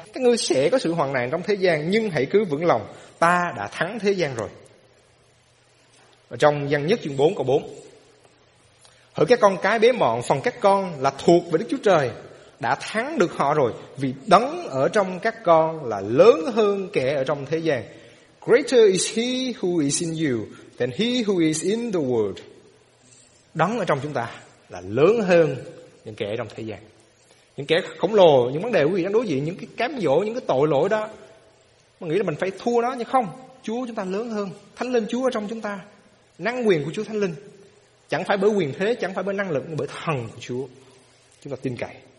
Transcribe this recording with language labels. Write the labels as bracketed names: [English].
[Vietnamese] Các ngươi sẽ có sự hoạn nạn trong thế gian, nhưng hãy cứ vững lòng, ta đã thắng thế gian rồi. Ở trong Giăng nhất chương 4 câu 4, hỡi các con cái bé mọn, phần các con là thuộc về Đức Chúa Trời, đã thắng được họ rồi, vì Đấng ở trong các con là lớn hơn kẻ ở trong thế gian. [English] Greater is he who is in you than he who is in the world. [Vietnamese] Đấng ở trong chúng ta là lớn hơn những kẻ trong thế gian. Những kẻ khổng lồ, những vấn đề quý vị đang đối diện, những cái cám dỗ, những cái tội lỗi đó, mình nghĩ là mình phải thua nó, nhưng không. Chúa chúng ta lớn hơn. Thánh linh Chúa ở trong chúng ta. Năng quyền của Chúa thánh linh. Chẳng phải bởi quyền thế, chẳng phải bởi năng lực, nhưng bởi thần của Chúa. Chúng ta tin cậy.